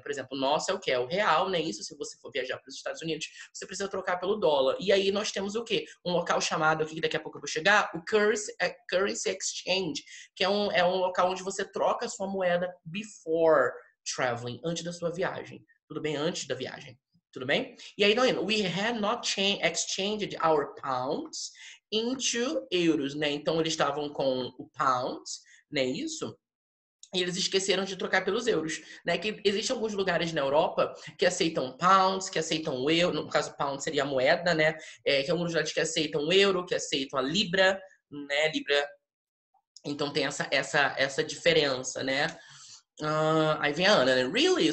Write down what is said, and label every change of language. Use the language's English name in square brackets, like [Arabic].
[Portuguese] Por exemplo, nosso é o quê? É o real, né? Isso, se você for viajar para os Estados Unidos, você precisa trocar pelo dólar. E aí nós temos o quê? Um local chamado aqui, que daqui a pouco eu vou chegar, o Currency Exchange. Que é um local onde você troca a sua moeda before traveling, antes da sua viagem. Tudo bem? Antes da viagem. Tudo bem? [English] E aí, we had not exchanged our pounds into euros, né? [Portuguese] Então, eles estavam com o pounds, né? Isso. E eles esqueceram de trocar pelos euros, né? Que existem alguns lugares na Europa que aceitam pounds, que aceitam o euro. No caso, pound seria a moeda, né? Que alguns lugares que aceitam o euro, que aceitam a libra, né? Libra. Então tem essa diferença, né? Aí vem a Ana, né? Really?